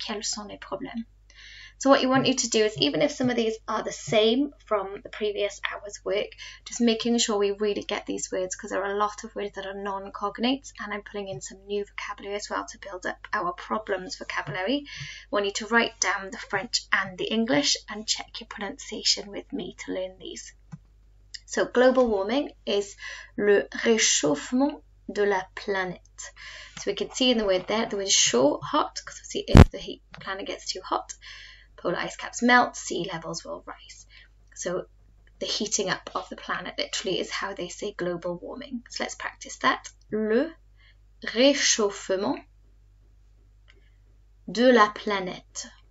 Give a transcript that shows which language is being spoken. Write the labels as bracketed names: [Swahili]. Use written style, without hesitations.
[French] Quels sont les problèmes? [English] So what you want you to do is, even if some of these are the same from the previous hour's work, just making sure we really get these words, because there are a lot of words that are non-cognates, and I'm putting in some new vocabulary as well to build up our problems vocabulary. We'll need to write down the French and the English and check your pronunciation with me to learn these. So global warming is [French] le réchauffement de la planète. [English] So we can see in the word there, the word chaud, hot, because obviously if the heat planet gets too hot, polar ice caps melt, sea levels will rise. So the heating up of the planet literally is how they say global warming. So let's practice that. [French] Le réchauffement de la planète.